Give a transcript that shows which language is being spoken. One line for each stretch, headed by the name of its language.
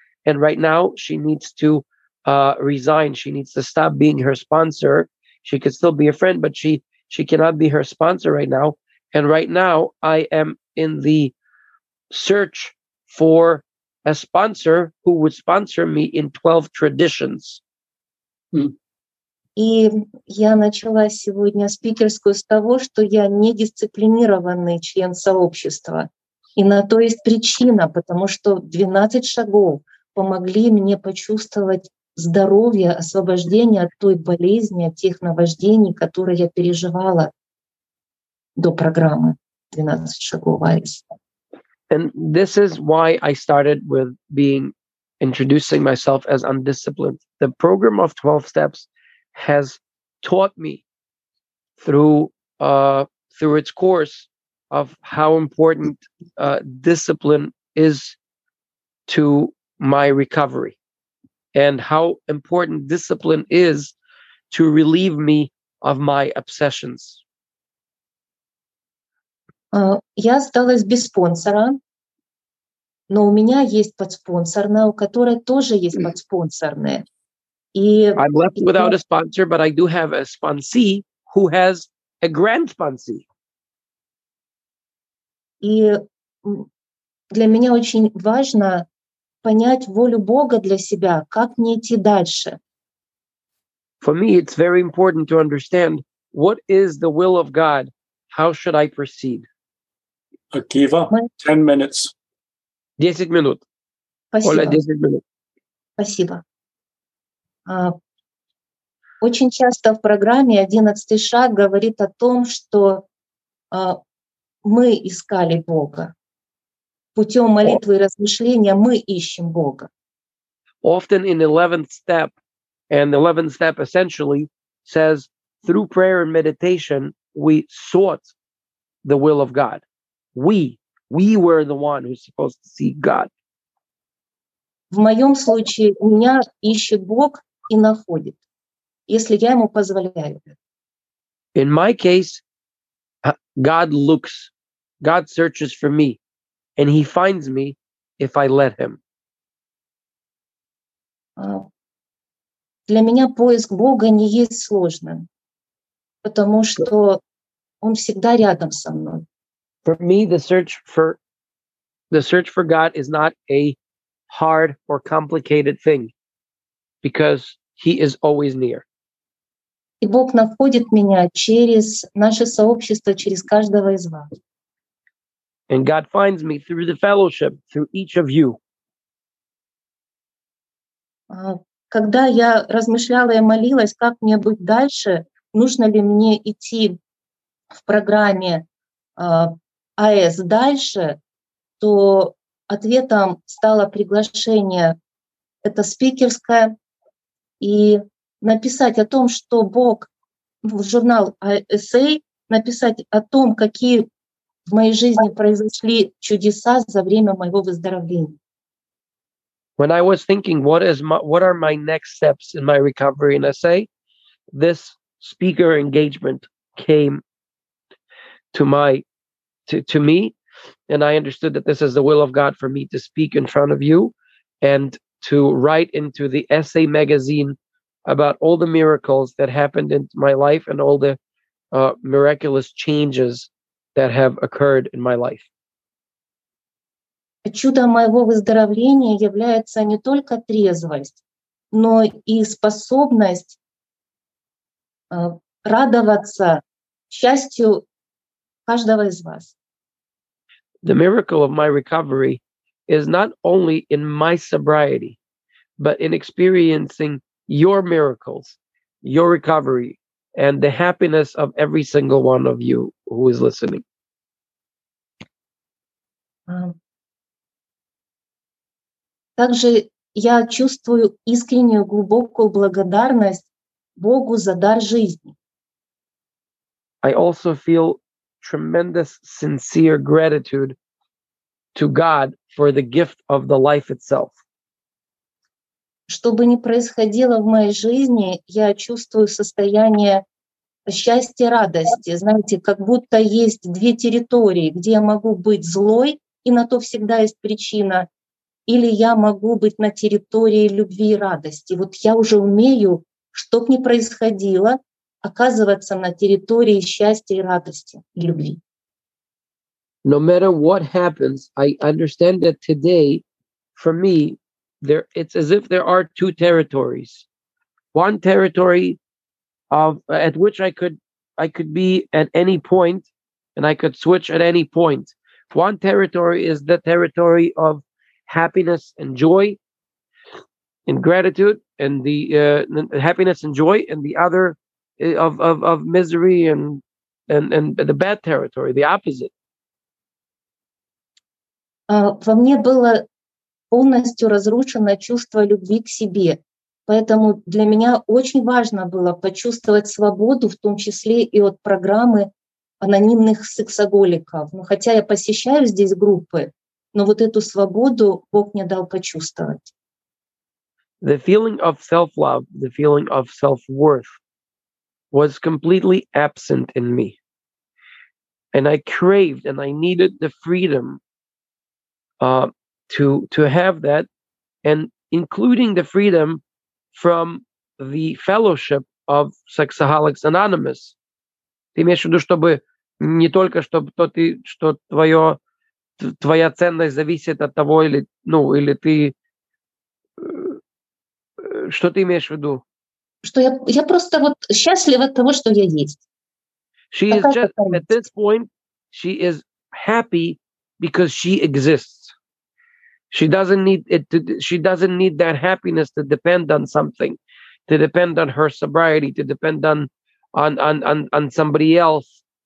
English: And right now she needs to resign. She needs to stop being her sponsor. She could still be a friend, but she cannot be her sponsor right now. And right now I am in the search for a sponsor who would sponsor me in 12 traditions.
Russian: И я начала сегодня спикерскую с того, что я недисциплинированный член сообщества. И на то есть причина, потому что 12 шагов помогли мне почувствовать здоровье, освобождение от той болезни, от тех наваждений, которые я переживала до программы 12 шагов Айс.
English: And this is why I started with being introducing myself as undisciplined. The program of 12 steps has taught me through its course of how important discipline is to my recovery and how important discipline is to relieve me of my obsessions.
Russian: Я осталась без спонсора. Но у меня есть подспонсорная, у которой тоже есть подспонсорная.
English: I'm left without a sponsor, but I do have a sponsee who has a grand sponsee.
Russian: И для меня очень важно понять волю Бога для себя, как мне идти дальше.
English: For me, it's very important to understand what is the will of God. How should I proceed? Akiva, 10 minutes.
Russian: 10 минут. Спасибо. Оля, 10 минут. Спасибо. Очень часто в программе 11 шаг говорит о том, что мы искали Бога. Путем молитвы и размышления мы ищем Бога.
English: Often in 11th step, and 11th step essentially says, through prayer and meditation, we sought the will of God. We were the one who's supposed to seek God.
Russian: В моем случае меня ищет Бог и находит, если я ему позволяю.
English: In my case, God looks, God searches for me, and he finds me if I let him.
Russian: Для меня поиск Бога не есть сложным, потому что он всегда рядом со мной.
English: For me, the search for God is not a hard or complicated thing, because he is always near.
Russian: И Бог находит меня через наше сообщество, через каждого из вас.
English: And God finds me through the fellowship, through each of you.
Russian: Когда я размышляла и молилась, как мне быть дальше, нужно ли мне идти в программе АЭС дальше, то ответом стало приглашение, это спикерское, и написать о том, что Бог в журнал АСА, написать о том, какие в моей жизни произошли чудеса за время моего выздоровления.
English: When I was thinking, what are my next steps in my recovery in SA, this speaker engagement came to me, and I understood that this is the will of God for me to speak in front of you and to write into the SA magazine about all the miracles that happened in my life and all the miraculous changes that have occurred in my life.
Russian: Чудо моего выздоровления является не только трезвость, но и способность радоваться счастью каждого из вас.
English: The miracle of my recovery is not only in my sobriety, but in experiencing your miracles, your recovery, and the happiness of every single one of you who is listening.
Russian: Также я чувствую искреннюю глубокую благодарность Богу за дар жизни.
English: I also feel tremendous sincere gratitude to God for the gift of the life itself.
Russian: Что бы ни происходило в моей жизни, я чувствую состояние счастья, радости. Знаете, как будто есть две территории, где я могу быть злой, и на то всегда есть причина. Или я могу быть на территории любви и радости. Вот я уже умею, что бы ни происходило, оказываться на территории счастья и радости, и любви.
English: No matter what happens, I understand that today, for me, it's as if there are two territories. One territory at which I could be at any point, and I could switch at any point. One territory is the territory of happiness and joy and gratitude and the happiness and joy, and the other of misery and the bad territory, the opposite.
Russian: Во мне было полностью разрушено чувство любви к себе, поэтому для меня очень важно было почувствовать свободу, в том числе и от программы анонимных сексоголиков. Но хотя я посещаю здесь группы, но вот эту свободу Бог мне дал почувствовать.
English: The feeling of self-love, the feeling of self-worth was completely absent in me. And I craved and I needed the freedom to have that, and including the freedom from the fellowship of Sexaholics Anonymous.
Russian: Ты имеешь в виду, чтобы не только, чтобы то ты, что твое твоя ценность зависит от того, или, ну, или ты... Что ты имеешь в виду? Что я просто вот счастлива от того, что я есть.
English: She is just, at this point, she is happy because she exists. She doesn't need it to, she doesn't need that happiness to depend on something, to depend on her sobriety, to depend on somebody else.